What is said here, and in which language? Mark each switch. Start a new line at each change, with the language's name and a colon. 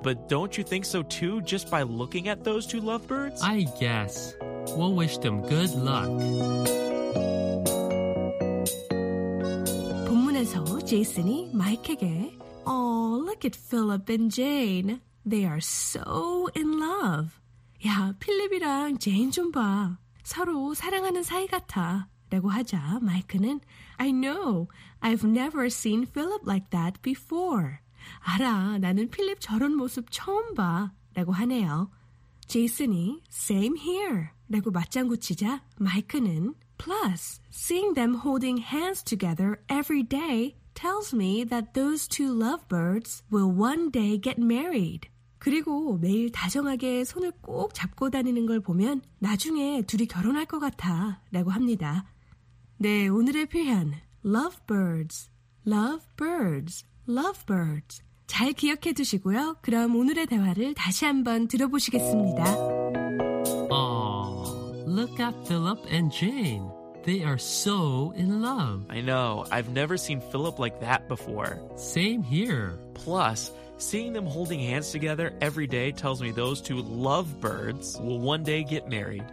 English: But don't you think so too, just by looking at those two lovebirds? I guess. We'll wish them good luck.
Korean: 본문에서 제이슨이 마이크에게
English: Oh, look at Philip and Jane. They are so in love.
Korean: 야, 필립이랑 제인 좀 봐. 서로 사랑하는 사이 같아. 라고 하자 마이크는
English: I know. I've never seen Philip like that before.
Korean: 알아, 나는 필립 저런 모습 처음 봐. 라고 하네요. 제이슨이
English: same here.
Korean: 라고 맞장구치자 마이크는
English: Plus, seeing them holding hands together every day tells me that those two lovebirds will one day get married.
Korean: 그리고 매일 다정하게 손을 꼭 잡고 다니는 걸 보면 나중에 둘이 결혼할 것 같아 라고 합니다. 네, 오늘의 표현 lovebirds, lovebirds, lovebirds 잘 기억해 두시고요. 그럼 오늘의 대화를 다시 한번 들어보시겠습니다.
English: Aww, look at Philip and Jane. They are so in love. I know. I've never seen Philip like that before. Same here. Plus, seeing them holding hands together every day tells me those two lovebirds will one day get married.